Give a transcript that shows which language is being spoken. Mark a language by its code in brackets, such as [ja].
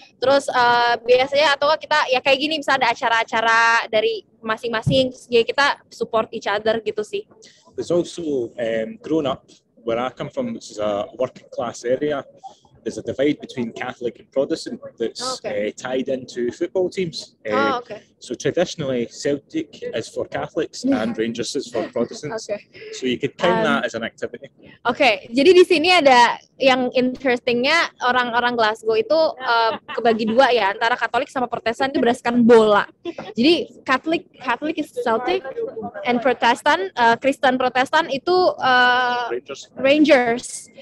[id] Terus biasanya atau enggak kita ya kayak gini, misalnya ada acara-acara dari masing-masing, ya kita [en] support each other [id] gitu sih. [en] There's also grown up where I come from, which is a working class area. There's a divide between Catholic and Protestant that's tied into football teams. So traditionally Celtic is for Catholics and Rangers is for Protestants. So you could count that as an activity. [id] Jadi di sini ada yang interestingnya, orang-orang Glasgow itu kebagi dua ya, antara Katolik sama Protestan itu berdasarkan bola. Jadi [en] Catholic is Celtic and Protestant, [id] Kristen Protestan itu Rangers.